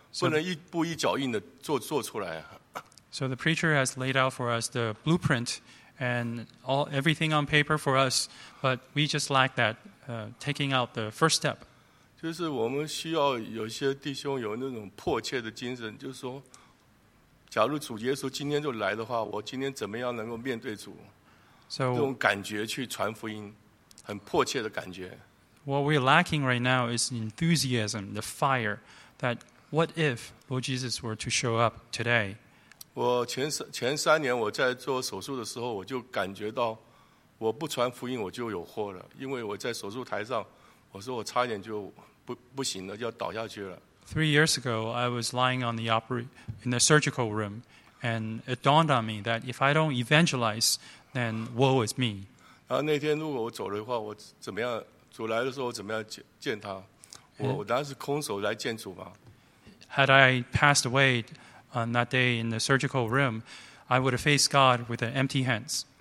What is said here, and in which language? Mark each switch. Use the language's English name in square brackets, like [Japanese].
[English] So the preacher has laid out for us the blueprint and everything on paper for us, but we just lack that taking out the first step. [Chinese] 就是我们需要有些弟兄有那种迫切的精神，就是说，假如主耶稣今天就来的话，我今天怎么样能够面对主？ [English] So, [Chinese] 这种感觉去传福音，很迫切的感觉。 [English] What we're lacking right now is enthusiasm, the fire that. What if Lord Jesus were to show up today? [Chinese] 我前三年我在做手术的时候，我就感觉到我不传福音我就有祸了，因为我在手术台上，我说我差点就不行了，要倒下去了。 [English] 3 years ago, I was lying on the in the surgical room, and it dawned on me that if I don't evangelize, then woe is me. [Chinese] 然后那天如果我走的话，我怎么样？主来的时候我怎么样见他？我当然是空手来见主嘛。 [English] Had I passed away on that day in the surgical room, I would have faced God with empty hands.